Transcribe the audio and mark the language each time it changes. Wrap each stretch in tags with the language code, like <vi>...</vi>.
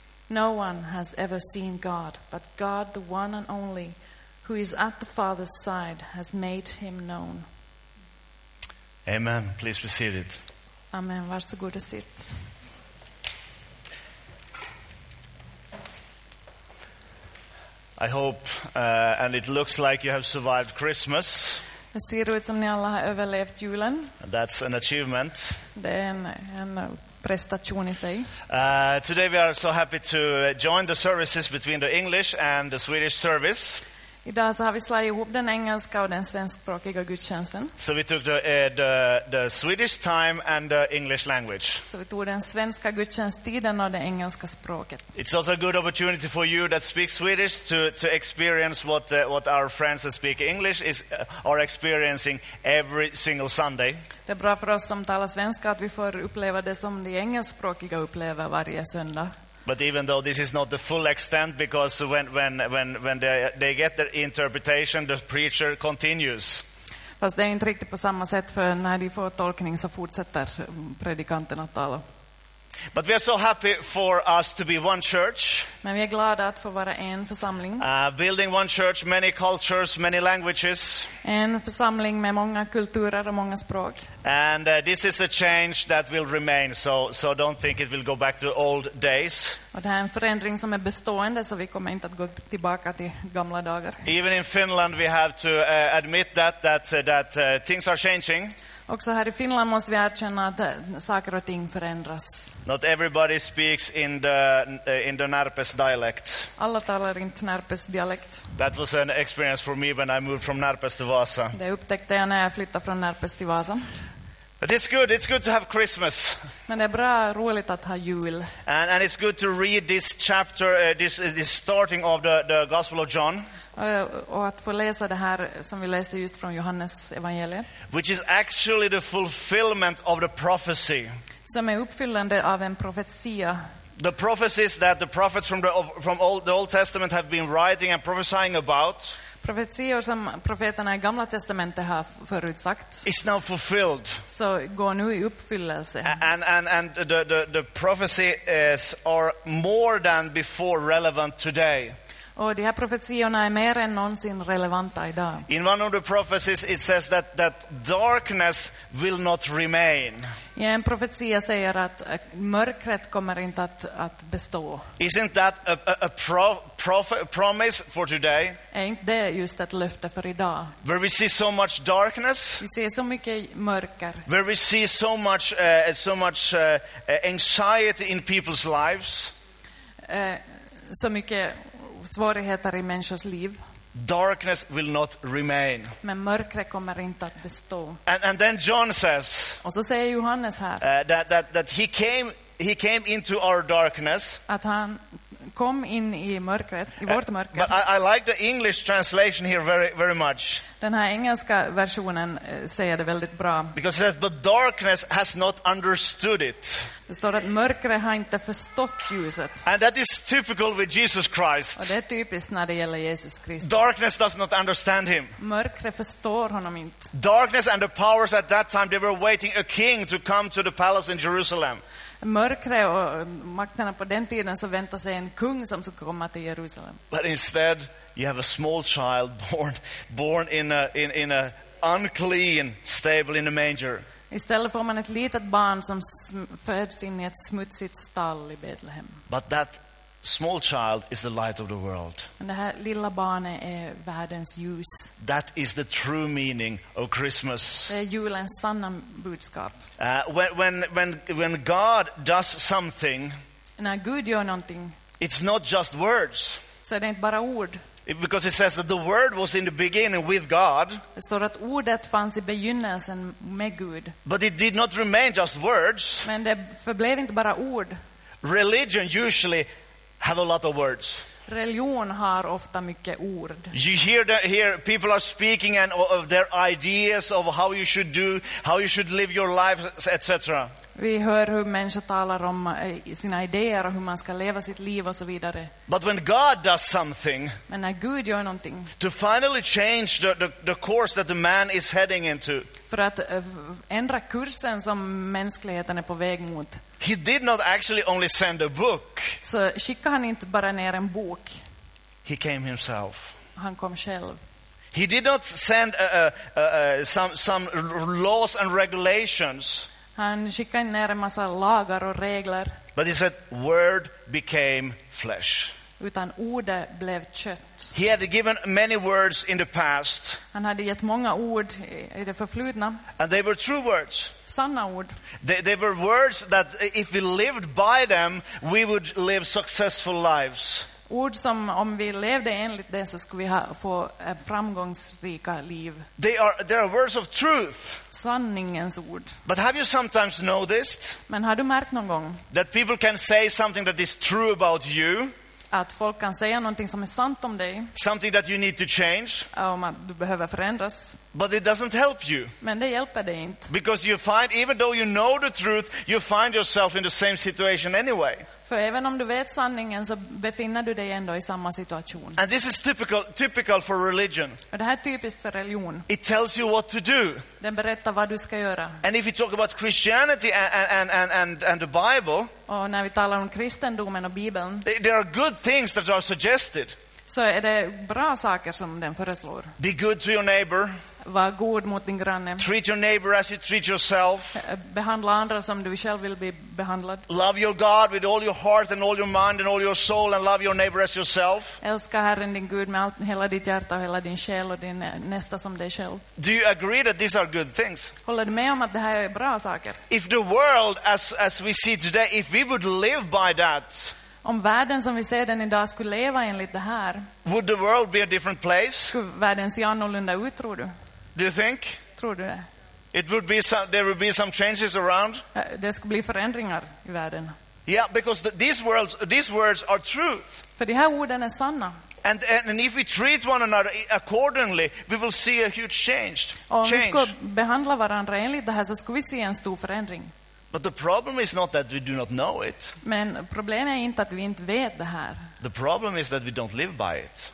<en>No one has ever seen God, but God, the one and only, who is at the Father's side, has made him known." Amen. Please be seated.</en> <sv>Amen. Varsågod och sitt.</sv> <en>I hope, and it looks like you have survived Christmas.</en> <sv>Det ser ut som ni alla har överlevt julen.</sv> <en>That's an achievement.</en> <sv>Det är en prestation I sig.</sv> <en>Today we are so happy to join the services between the English and the Swedish service.</en> <sv>Idag så har vi slagit ihop den engelska och den svenskspråkiga gudstjänsten.</sv> <en>So we took the Swedish time and the English language.</en> <sv>Så vi tog den svenska gudstjänsttiden och det engelska språket.</sv> <en>It's also a good opportunity for you that speak Swedish to experience what our friends that speak English are experiencing every single Sunday.</en> <sv>Det är bra för oss som talar svenska att vi får uppleva det som de engelskspråkiga upplever varje söndag.</sv> <en>But even though this is not the full extent, because when they get their interpretation, the preacher continues.</en> <sv>Fast det är inte riktigt på samma sätt, för när de får tolkning så fortsätter predikanten att tala.</sv> <en>But we are so happy for us to be one church.</en> <sv>Men vi är glada att få vara en församling.</sv> <en>Building one church, many cultures, many languages.</en> <sv>En församling med många kulturer och många språk.</sv> <en>And this is a change that will remain. So don't think it will go back to old days.</en> <sv>Och det här är en förändring som är bestående, så vi kommer inte att gå tillbaka till gamla dagar.</sv> <en>Even in Finland we have to admit that things are changing.</en> <sv>Också här I Finland måste vi erkänna att saker och ting förändras.</sv> <en>Not everybody speaks in the Närpes dialect.</en> <sv>Alla talar inte Närpes dialekt.</sv> <en>That was an experience for me when I moved from Närpes to Vasa.</en> <sv>Det upptäckte jag när jag flyttade från Närpes till Vasa.</sv> <en>But it's good to have Christmas.</en> <sv>Men det är bra, roligt att ha jul.</sv> <en>And it's good to read this chapter, this starting of the Gospel of John.</en> <sv>Och att få läsa det här som vi läste just från Johannes evangeliet.</sv> <en>Which is actually the fulfillment of the prophecy.</en> <sv>Som är uppfyllande av en profetia.</sv> <en>The prophecies that the prophets from the Old Testament have been writing and prophesying about.</en> <sv>Profetior som profeterna I Gamla testamentet har förutsagt.</sv> <en>It's now fulfilled.</en> <sv>Så går nu I uppfyllelse.</sv> <en>And the prophecy is or more than before relevant today.</en> <sv>Och de här profetiorna är mer än någonsin relevanta idag.</sv> <en>In one of the prophecies it says that darkness will not remain.</en> <sv>I en profetia säger att mörkret kommer inte att bestå.</sv> <en>Isn't that a promise for today?</en> <sv>Är inte det just ett löfte för idag?</sv> <en>Where we see so much darkness?</en> <sv>Vi ser så mycket mörker.</sv> <en>Where we see so much anxiety in people's lives?</en> <sv>Så mycket svårigheter I människors liv.</sv> <en>darkness will not remain.</en> <sv>Men mörkret kommer inte att bestå.</sv> <en>And then John says,</en> <sv>och så säger Johannes här,</sv> <en>that he came into our darkness.</en> <sv>Att han kom in i mörkret, i vårt mörker.</sv> <en>But I like the English translation here very, very much.</en> <sv>Den här engelska versionen säger det väldigt bra.</sv> <en>Because it says, but darkness has not understood it.</en> <sv>Det står att mörkret har inte förstått ljuset.</sv> <en>And that is typical with Jesus Christ.</en> <sv>Och det är typiskt när det gäller Jesus Kristus.</sv> <en>Darkness does not understand him.</en> <sv>Mörkret förstår honom inte.</sv> <en>Darkness and the powers at that time, they were waiting a king to come to the palace in Jerusalem.</en> <sv>Mörkret och makterna på den tiden så väntar sig en kung som ska komma till Jerusalem.</sv> <en>But instead, you have a small child born in a unclean stable in a manger.</en> <sv>Istället får man ett litet barn som föds in i ett smutsigt stall i Betlehem.</sv> <en>But that small child is the light of the world.</en> <sv>Men det här lilla barnet är världens ljus.</sv> <en>That is the true meaning of Christmas.</en> <sv>Det är julens sanna budskap.</sv> <en>When God does something,</en> <sv>när Gud gör någonting,</sv> <en>it's not just words.</en> <sv>Så det är inte bara ord.</sv> <en>Because it says that the word was in the beginning with God.</en> <sv>Det står att ordet fanns i begynnelsen med Gud.</sv> <en>But it did not remain just words.</en> <sv>Men det förblev inte bara ord.</sv> <en>Religion usually have a lot of words.</en> <sv>Religion har ofta mycket ord.</sv> <en>You hear that here people are speaking and of their ideas of how you should do, how you should live your life, etc.</en> <sv>Vi hör hur människor talar om sina idéer och hur man ska leva sitt liv och så vidare.</sv> <en>But when God does something,</en> <sv>men när Gud gör någonting,</sv> <en>to finally change the course that the man is heading into,</en> <sv>för att ändra kursen som mänskligheten är på väg mot,</sv> <en>he did not actually only send a book,</en> <sv>så skickade han inte bara ner en bok.</sv> <en>He came himself.</en> <sv>Han kom själv.</sv> <en>He did not send some laws and regulations.</en> <sv>Han skickade ner en massa lagar och regler.</sv> <en>But he said, word became flesh.</en> <sv>Utan ordet blev kött.</sv> <en>He had given many words in the past.</en> <sv>Han hade gett många ord i det förflutna.</sv> <en>And they were true words.</en> <sv>Sanna ord.</sv> <en>They were words that if we lived by them, we would live successful lives.</en> <sv>Ord som om vi levde enligt det så skulle vi få framgångsrika liv.</sv> <en>They are words of truth.</en> <sv>Sanningens ord.</sv> <en>But have you sometimes noticed?</en> <sv>Men har du märkt någon gång?</sv> <en>That people can say something that is true about you.</en> <sv>Att folk kan säga någonting som är sant om dig.</sv> <en>Something that you need to change.</en> <sv>Om att du behöver förändras.</sv> <en>But it doesn't help you.</en> <sv>Men det hjälper dig inte.</sv> <en>Because you find, even though you know the truth, you find yourself in the same situation anyway.</en> <sv>För även om du vet sanningen så befinner du dig ändå i samma situation.</sv> <en>And this is typical for religion.</en> <sv>Och det här är typiskt för religion.</sv> <en>It tells you what to do.</en> <sv>Den berättar vad du ska göra.</sv> <en>And if you talk about Christianity and the Bible,</en> <sv>och när vi talar om kristendomen och Bibeln,</sv> <en>there are good things that are suggested.</en> <sv>Så är det bra saker som den föreslår.</sv> <en>Be good to your neighbor.</en> <sv>Var god mot din granne.</sv> <en>Treat your neighbor as you treat yourself.</en> <sv>Behandla andra som du själv vill bli behandlad.</sv> <en>Love your God with all your heart and all your mind and all your soul and love your neighbor as yourself.</en> <sv>Älska Herren din Gud med hela ditt hjärta och hela din själ och din nästa som dig själv.</sv> <en>Do you agree that these are good things?</en> <sv>Håller du med om att det här är bra saker?</sv> <en>If the world as we see today, if we would live by that,</en> <sv>om världen som vi ser den idag skulle leva enligt det här,</sv> <en>would the world be a different place?</en> <sv>Skulle världen se annorlunda ut, tror du?</sv> <en>Do you think?</en> <sv>Tror du det?</sv> <en>It would be there would be some changes around.</en> <sv>Det skulle bli förändringar i världen.</sv> <en>Yeah, because these words are truth.</en> <sv>För de här orden är sanna.</sv> <en>And if we treat one another accordingly, we will see a huge change.</en> <sv>Om vi skulle behandla varandra enligt det här så skulle vi se en stor förändring.</sv> <en>But the problem is not that we do not know it.</en> <sv>Men problemet är inte att vi inte vet det här.</sv> <en>The problem is that we don't live by it.</en>